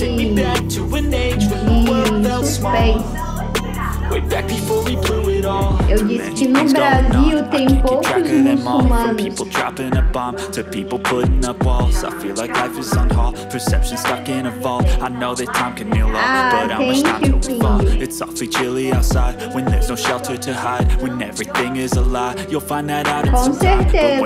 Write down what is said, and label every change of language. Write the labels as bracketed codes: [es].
[en] Take me back to an age when the world felt small. Way back before we blew it all. [pt] Eu disse que no Brasil tem poucos muçulmanos. [en] From people dropping a bomb to people putting up walls. I feel like life is on hold. Perception stuck in a vault. I know that time can heal all, ah, but how much time do we fall? It's awfully chilly outside when there's no shelter to hide. When everything is a lie, you'll find that out in [pt] Com [en] some [pt] certeza.